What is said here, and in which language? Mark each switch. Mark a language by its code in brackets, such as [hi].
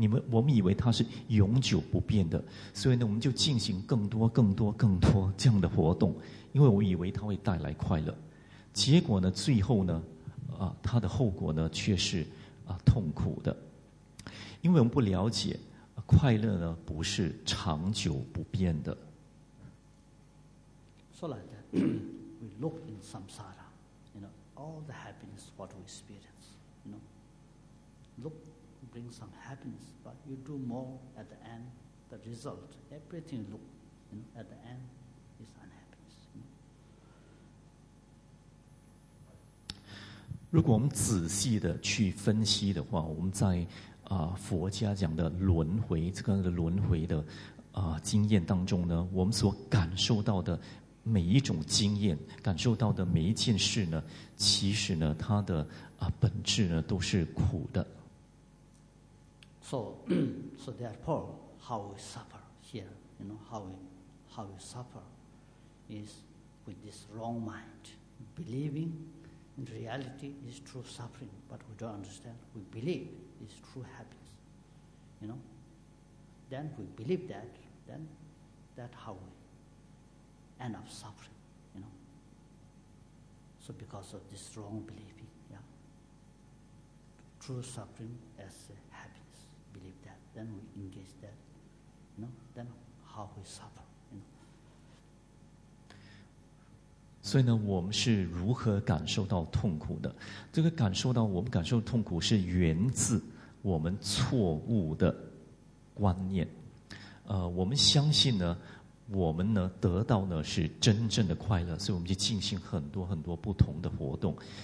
[zh] 我们以为它是永久不变的，所以呢，我们就进行更多、更多、更多这样的活动，因为我以为它会带来快乐。结果呢，最后呢，它的后果呢，却是痛苦的，因为我们不了解。快乐呢，不是长久不变的。 [en] So like that, we look in samsara, you know, all the happiness what we experience, you know, look, bring some happiness, but you do more at the end, the result, everything look, you know, at the end is unhappiness. You know? [zh] 如果我们仔细的去分析的话，我们在。佛家讲的轮回，这个轮回的经验当中呢，我们所感受到的每一种经验，感受到的每一件事呢，其实呢，它的本质呢，都是苦的。 [en] So therefore, how we suffer here, you know, how we suffer is with this wrong mind, believing in reality is true suffering, but we don't understand, we believe. Is true happiness, you know. Then we believe that. Then that how we end up suffering, you know. So because of this wrong believing, yeah. True suffering as happiness, believe that. Then we engage that, you know. Then how we suffer, you know. [zh] 所以呢，我们是如何感受到痛苦的？这个感受到我们感受痛苦是源自。我们错误的观念，我们相信呢，我们呢得到呢是真正的快乐，所以我们就进行很多很多不同的活动。